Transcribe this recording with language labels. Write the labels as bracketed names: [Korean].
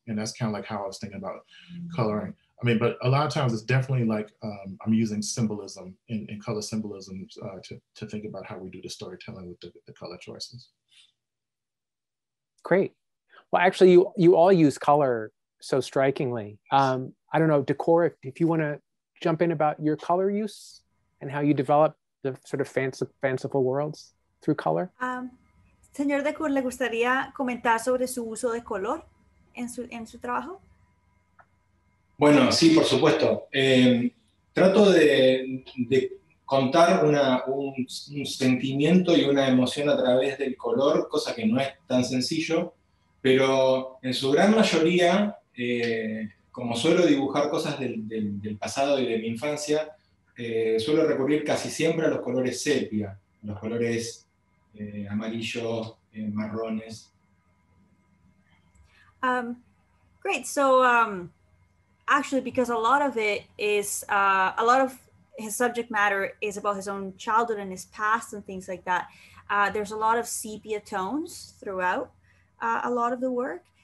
[English] And that's kind of like how I was thinking about coloring. I mean, but a lot of times it's definitely like I'm using symbolism and color symbolism to think about how we do the storytelling with the color choices. Great. Well, actually, you all use color so strikingly. I don't know, Decur, if you want to jump in about your color use and how you develop the sort of fanciful worlds through color. [Spanish] Señor Decur, ¿le gustaría comentar sobre su uso de color en su trabajo? Bueno, sí, por supuesto. Trato de contar un sentimiento y una emoción a través del color, cosa que no es tan sencillo, pero en su gran mayoría, como suelo dibujar cosas del pasado y de mi infancia, suelo recurrir casi siempre a los colores sepia, los colores amarillos, marrones. [English] Great, so actually, because a lot of it is, a lot of his subject matter is about his own childhood and his past and things like that. There's a lot of sepia tones throughout a lot of the work.